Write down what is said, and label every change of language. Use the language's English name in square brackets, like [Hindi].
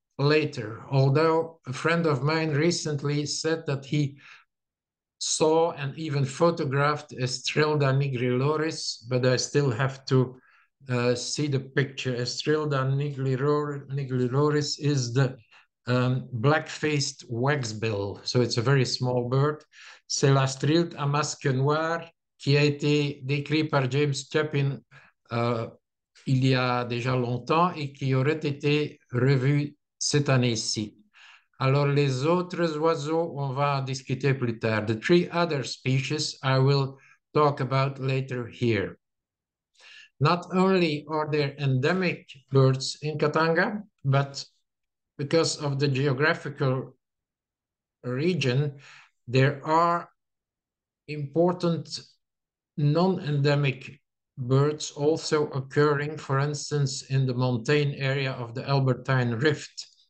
[English] later, although a friend of mine recently said that he saw and even photographed Estrelda nigriloris, but I still have to see the picture. Estrelda nigriloris is the black-faced waxbill, so it's a very small bird. [French] C'est la strilte à masque noir qui a été décrit par James Chapin il y a déjà longtemps et qui aurait été revu cette année-ci. Alors, les autres oiseaux, on va en discuter plus tard. [English] The three other species I will talk about later here. Not only are there endemic birds in Katanga, but because of the geographical region, there are important non-endemic birds also occurring, for instance, in the montane area of the Albertine Rift.